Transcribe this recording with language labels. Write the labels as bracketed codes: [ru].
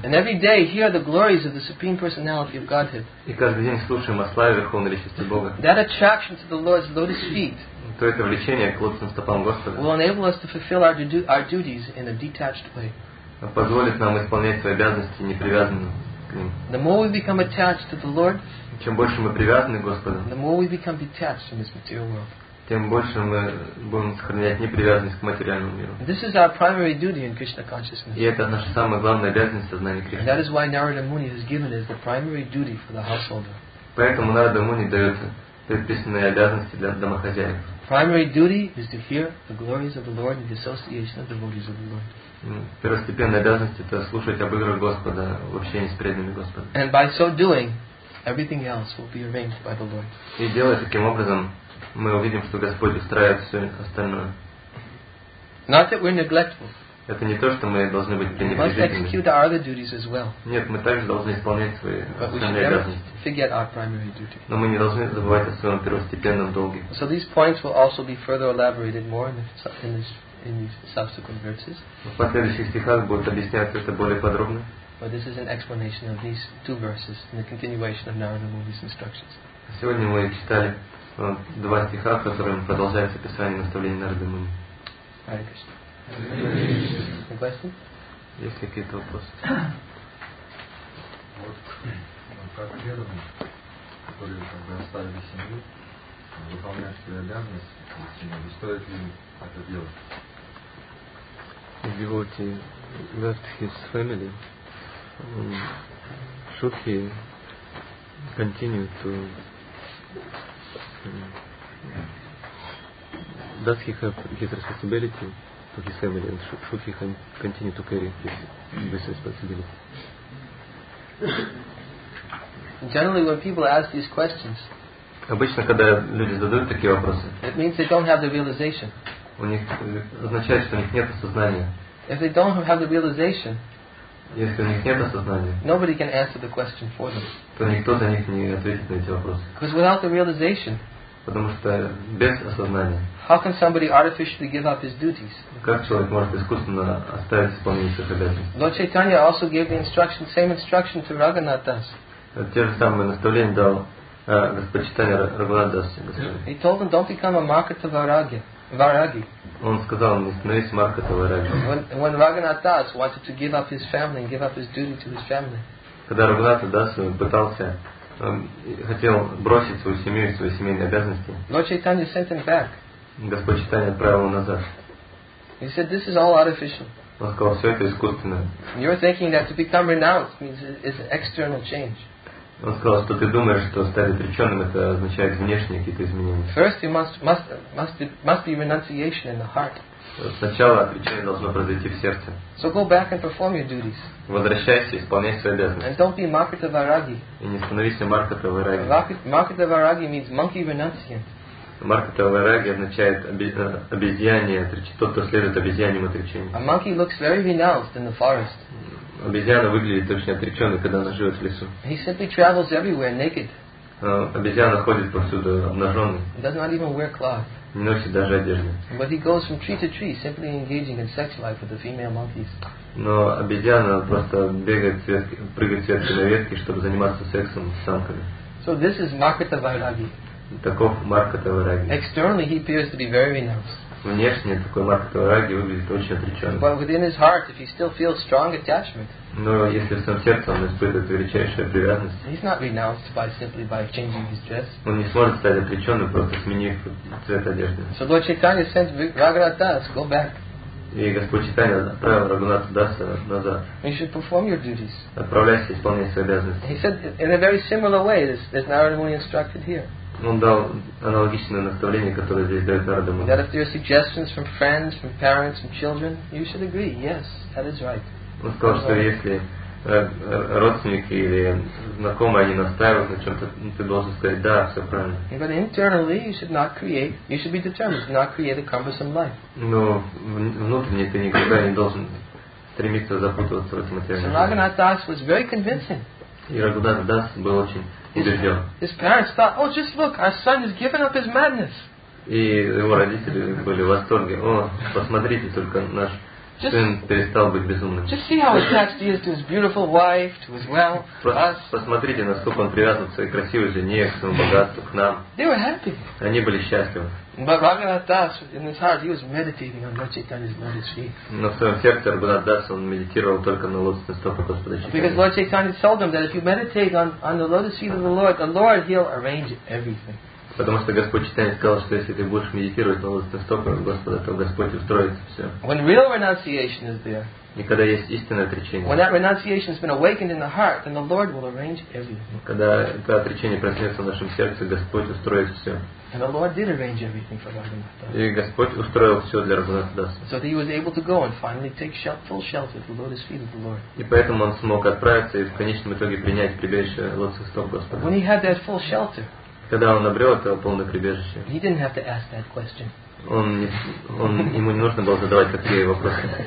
[en] And every day hear the glories of the Supreme Personality of Godhead. [ru] И каждый день слушаем о славе Верховной Личности Бога. [en] That attraction to the Lord's lotus feet. [ru] То это влечение к лотосным стопам Господа. [en] Will enable us to fulfill our duties in a detached way. [ru] Позволит нам исполнять свои обязанности непривязанно. [en] The more we become attached to the Lord, [ru] чем больше мы привязаны к Господу, [en] the more we become detached from this material world. [ru] Тем больше мы будем сохранять непривязанность к материальному миру. [en] This is our primary duty in Krishna consciousness. [ru] И это наша самая главная обязанность в сознании Кришны. [en] And that is why Narada Muni has given it as the primary duty for the householder. [ru] Поэтому Нарада Муни дает предписанные обязанности для домохозяев. [en] Primary duty is to hear the glories of the Lord and the association of the devotees of the Lord. [ru] Первостепенная обязанность это слушать об играх Господа в общении с преданными Господа. [en] And by so doing, everything else will be arranged by the Lord. [ru] И делая таким образом, мы увидим, что Господь устраивает все остальное. [en] Not that we're neglectful. [ru] Это не то, что мы должны быть пренебрежительными. [en] We must execute our other duties as well. [ru] Нет, мы также должны исполнять свои основные обязанности. [en] Forget our primary duty. [ru] Но мы не должны забывать о своем первостепенном долге. [en] So these points will also be further elaborated more in these subsequent verses. [ru] В последующих стихах будет объясняться это более подробно. [en] But this is an explanation of these two verses in the continuation of Narada Muni's instructions. [ru] Сегодня мы читали два стиха, в которых продолжается описание наставления Нарады Муни. [en] Hare Krishna. Any questions? [ru] Есть ли какие-то вопросы? Вот как преданные, которые как бы оставили семью, выполняют свои обязанности, стоит ли это делать? [en] Devotee left his family. Should he continue to? Does he have his responsibility to his family, and should he continue to carry this responsibility? Generally, when people ask these questions, [ru] обычно когда люди задают такие вопросы, [en] it means they don't have the realization. [ru] У них означает, что у них нет осознания. [en] If they don't have the realization, [ru] если у них нет осознания, [en] nobody can answer the question for them. [ru] То никто за них не ответит на эти вопросы. [en] Because without the realization, [ru] потому что без осознания, [en] how can somebody artificially give up his duties? [ru] Как человек может искусственно оставить исполнение своих обязанностей? [en] Lord Chaitanya also gave the instruction, same instruction to Raghunath Das. [ru] Те же самые наставления дал Господь Чайтанья Раганат Дас. [en] He told him, don't become a market of Vairagya. Vairagi. [ru] Он сказал, не становись маркетом Вайраги. [en] When Raghunath Das wanted to give up his family and give up his duty to his family. [ru] Когда Раганат Дас пытался, хотел бросить свою семью и свои семейные обязанности. [en] Lord Chaitanya sent him back. [ru] Господь Чайтанья отправил его назад. [en] He said, this is all artificial. [ru] Он сказал, все это искусственное. [en] You're thinking that to become renounced means it's an external change. [ru] Он сказал, что ты думаешь, что стать отреченным это означает внешние какие-то изменения. [en] First, you must be renunciation in the heart. [ru] Сначала отречение должно произойти в сердце. [en] So go back and perform your duties. [ru] Возвращайся, исполняй свои обязанности. [en] And don't be Markata Vairagi. [ru] И не становись Markata Vairagi. [en] Markata Vairagi means monkey renunciant. [ru] Markata Vairagi означает обезьянье, тот, кто следует обезьяньим отречением. [en] A monkey looks very renounced in the forest. [ru] Обезьяна выглядит очень отреченной, когда она живет в лесу. [en] He simply travels everywhere naked. [ru] Обезьяна ходит повсюду обнаженной. [en] He does not even wear cloth. [ru] Не носит даже одежды. [en] But he goes from tree to tree, simply engaging in sex life with the female monkeys. [ru] Но обезьяна просто бегает, прыгает с ветки на ветки, чтобы заниматься сексом с самками. [en] So this is Markata Vairagi. [ru] Таков Markata Vairagi. [en] Externally he appears to be very renounced. [ru] Внешне такой Markata Vairagi выглядит очень отреченным. [en] But within his heart, if he still feels strong attachment, [ru] но если в своем сердце он испытывает величайшую привязанность, [en] he's not renounced by simply by changing his dress. [ru] Он не сможет стать отреченным, просто сменив цвет одежды. [en] So Lord Chaitanya sent Raghunath Das, go back. [ru] И Господь Чайтанья отправил Раганатха Даса назад. [en] You should perform your duties. [ru] Отправляйся, исполняй свои обязанности. [en] He said in a very similar way, as Narada Muni instructed here. [ru] Он дал аналогичное наставление, которое здесь дает Нарада Муни. [en] That if there are suggestions from friends, from parents, from children, you should agree. Yes, that is right. [ru] Он сказал, что если родственники или знакомые, они настаивают на чем-то, ты должен сказать, да, все правильно. [en] Yeah, but internally you should not create, you should be determined not create a cumbersome life. [ru] Но внутренне ты никогда не должен стремиться запутываться в этом материале. [en] So Raghunath Das was very convincing. [ru] И Raghunath Das был очень убежден. [en] His parents thought, oh, just look, our son has given up his madness. [ru] И его родители были в восторге. О, посмотрите только, наш сын перестал быть безумным. [en] Just see how attached he is to his beautiful wife, to his wealth, us. [ru] Посмотрите, насколько он привязан к своей красивой жене, к своему богатству, к нам. [en] They were happy. [ru] Они были счастливы. [en] But Raghunath Das, in his heart, he was meditating on Lord Chaitanya's lotus feet. [ru] Но в своем сердце Raghunath Das он медитировал только на лотосных стопах Господа Чайтаньи. [en] Because Lord Chaitanya told him that if you meditate on the lotus feet of the Lord, he'll arrange everything. [ru] Потому что Господь Читание сказал, что если ты будешь медитировать на лотосных стопах Господа, то Господь устроит все. [en] When real renunciation is there, [ru] и когда есть истинное отречение, [en] when that renunciation has been awakened in the heart, then the Lord will arrange everything. [ru] Когда это отречение проснется в нашем сердце, Господь устроит все. [en] And the Lord did arrange everything for Raghunath. [ru] И Господь устроил все для Raghunath Das. [en] So that he was able to go and finally take full shelter at the lotus feet of the Lord. [ru] И поэтому он смог отправиться и в конечном итоге принять прибежище лотосных стоп Господа. [en] When he had that full shelter. [ru] Когда он обрел это полное прибежище, [en] he didn't have to ask that question. [ru] Он ему не нужно было задавать такие вопросы.